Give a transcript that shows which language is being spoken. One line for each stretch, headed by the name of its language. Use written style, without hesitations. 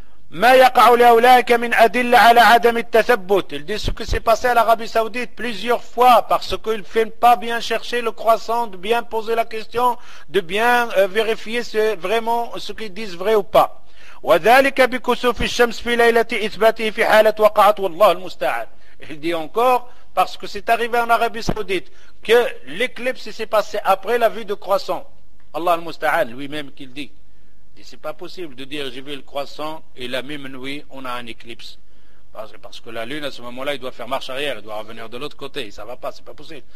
Arabic: Ma yaqa'u li oulaika min adilla ala adam at-tathabbut.
French: Il dit ce qui s'est passé à l'Arabie Saoudite plusieurs fois parce qu'ils ne font pas bien chercher le croissant, de bien poser la question, de bien vérifier ce, vraiment ce qu'ils disent vrai ou pas.
Arabic: وذلك بكسوف الشمس في ليلة إثباته في حالة وقعت والله المستعان.
French: Il dit encore parce que c'est arrivé en Arabie Saoudite que l'éclipse s'est passée après la vue du croissant.
Arabic: Allah al-Musta'an
French: lui-même qu'il dit. Et c'est pas possible de dire j'ai vu le croissant et la même nuit on a un éclipse. Parce que la lune à ce moment-là il doit faire marche arrière, elle doit revenir de l'autre côté, ça va pas, c'est pas possible.